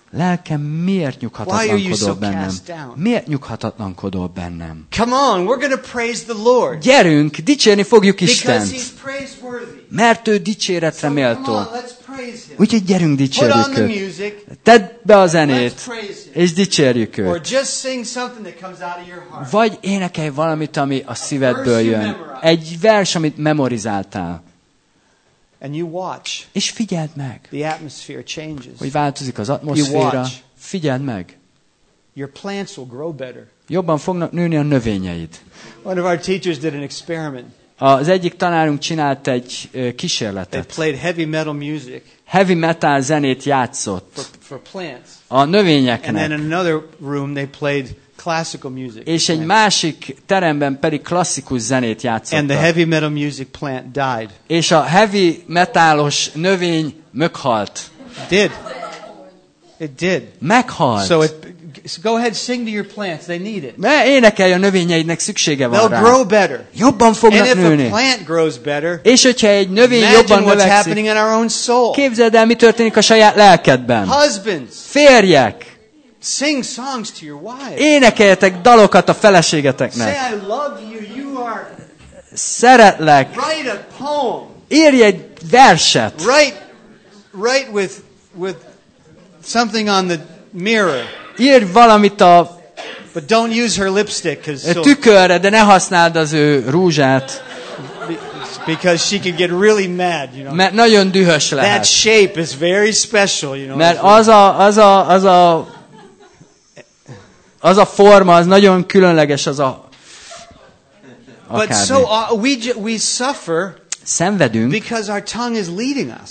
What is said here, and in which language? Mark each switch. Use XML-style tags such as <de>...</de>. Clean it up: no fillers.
<hu>Lelkem, miért nyughatatlankodol</hu> <en>Why are you so</en> <hu>bennem?</hu> <en>Cast down?</en> <hu>Miért nyughatatlankodol bennem?</hu> <en>Come on, we're gonna praise the Lord.</en> <hu>Gyerünk, dicsérni fogjuk Istent.</hu> <en>Because he's praiseworthy.</en> <hu>Mert ő dicséretre</hu> <en>so</en> <hu>méltó.</hu> <en>Come on, let's praise him.</en> <hu>Úgyhogy gyerünk, dicsérjük</hu> <en>Put on the music,</en> <hu>őt. Tedd be a zenét. És dicsérjük őt.</hu> <en>Or just sing something that comes out of your heart.</en> <hu>Vagy énekelj valamit, ami a szívedből jön.</hu> <en>Memorized.</en> <hu>Egy vers, amit memorizáltál.</hu> <en>And you watch.</en> <hu>És figyeld meg.</hu> <en>The atmosphere changes.</en> <hu>Hogy változik az atmoszféra. Figyeld meg.</hu> <en>Your plants will grow better.</en> <hu>Jobban fognak nőni a növényeid.</hu> <en>One of our teachers did an experiment.</en> <hu>Az egyik tanárunk csinált egy kísérletet.</hu> <en>They played heavy metal music.</en> <hu>Heavy metal zenét játszott.</hu> <en>For plants.</en> <hu>A növényeknek.</hu> <en>And then in another room they played classical music.</en> <hu>És egy másik teremben pedig klasszikus zenét játszottak.</hu> <en>And the heavy metal music plant died.</en> <hu>És a heavy metalos növény meghalt.</hu> <en>Did. It did.</en> <hu>Meghalt.</hu> <en>So it, go ahead sing to your plants. They need it.</en> <hu>Ne énekelj a növényeidnek, szüksége van rá.</hu> <en>They'll grow better.</en> <hu>Jobban fognak</hu> <en>And if</en> <hu>nőni.</hu> <en>A plant grows better,</en> <hu>és hogyha egy növény jobban növekszik,</hu> <en>what's happening in our own soul.</en> <hu>Képzeld el, mi történik a saját lelkedben.</hu> <en>Husbands.</en> <hu>Férjek.</hu> <en>Sing songs to your wife.</en> <hu>Énekeljetek dalokat a feleségeteknek.</hu> <en>Say, I love you. You are...</en> <hu>Szeretlek.</hu> <en>Write a poem.</en> <hu>Írj egy verset.</hu> <en>Write with something on the mirror.</en> <hu>Írj valamit a</hu> <en>But don't use her lipstick, cause</en> <hu>tükörre, de ne használd az ő rúzsát.</hu> <en>Because she can get really mad, you know.</en> <hu>Mert nagyon dühös lehet.</hu> <en>That shape is very special, you know.</en> <hu>Mert az a az a forma, az nagyon különleges, az a.</hu> <en>But so we suffer.</en> <hu>Szenvedünk.</hu> <en>Because our tongue is leading us.</en>